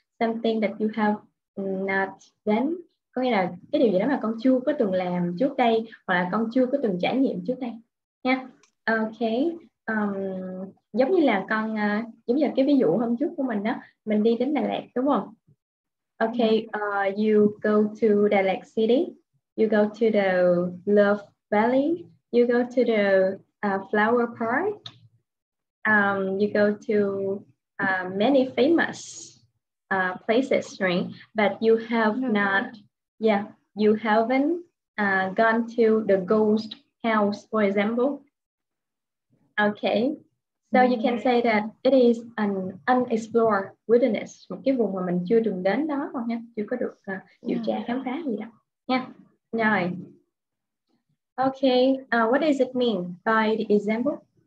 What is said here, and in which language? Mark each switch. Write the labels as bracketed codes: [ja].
[en] Something that you have not done, [vi] có nghĩa là cái điều gì đó mà con chưa có từng làm trước đây hoặc là con chưa có từng trải nghiệm trước đây nha. Okay. Giống như là con giống như là cái ví dụ hôm trước của mình đó, mình đi đến Đà Lạt đúng không? [en] Okay, you go to Đà Lạt city, you go to the Love Valley, you go to the flower park, you go to many famous places, right? But you have not, yeah, you haven't gone to the ghost house, for example. Okay, so you can say that it is an unexplored wilderness, [vi] một cái vùng mà mình chưa từng đến đó, còn nha, chưa có được điều tra khám phá gì đâu, nha. Rồi. [en] Okay, what does it mean by the example?